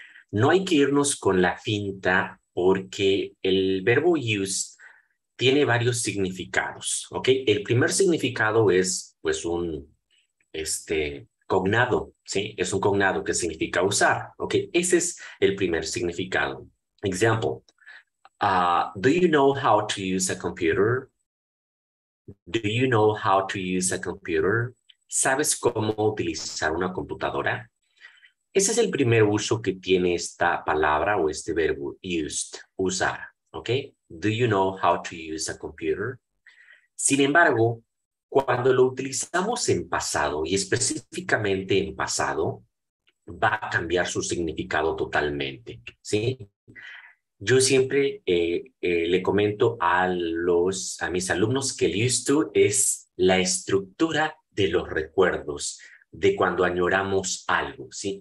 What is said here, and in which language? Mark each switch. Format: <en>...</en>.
<es>No hay que irnos con la finta porque el verbo use tiene varios significados, ¿ok? El primer significado es, pues, un cognado, ¿sí? Es un cognado que significa usar, ¿ok? Ese es el primer significado.</es> <en>Example, do you know how to use a computer? Do you know how to use a computer?</en> <es>¿Sabes cómo utilizar una computadora? Ese es el primer uso que tiene esta palabra o este verbo used, usar, ¿ok?</es> <en>Do you know how to use a computer?</en> <es>Sin embargo, cuando lo utilizamos en pasado y específicamente en pasado, va a cambiar su significado totalmente, ¿sí? Yo siempre le comento a mis alumnos que el used to es la estructura de los recuerdos, de cuando añoramos algo, ¿sí?</es>